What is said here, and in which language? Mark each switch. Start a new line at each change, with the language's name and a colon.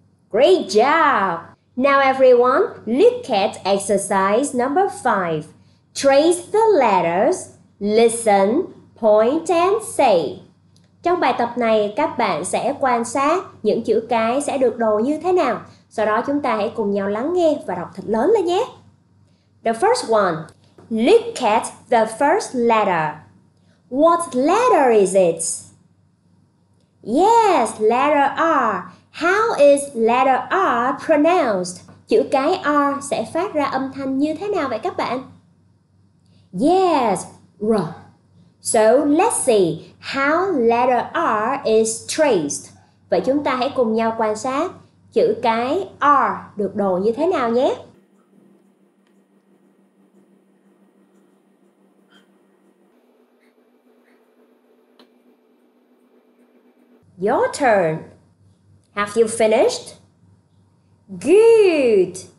English: Great job. Now everyone, look at exercise number 5. Trace the letters, listen, point and say.
Vietnamese: Trong bài tập này, các bạn sẽ quan sát những chữ cái sẽ được đồ như thế nào. Sau đó chúng ta hãy cùng nhau lắng nghe và đọc thật lớn lên nhé.
English: The first one, look at the first letter. What letter is it? Yes, letter R. How is letter R pronounced?
Vietnamese: Chữ cái R sẽ phát ra âm thanh như thế nào vậy các bạn?
English: Yes, R. So, let's see how letter R is traced.
Vietnamese: Vậy chúng ta hãy cùng nhau quan sát chữ cái R được đồ như thế nào nhé.
English: Your turn. Have you finished? Good.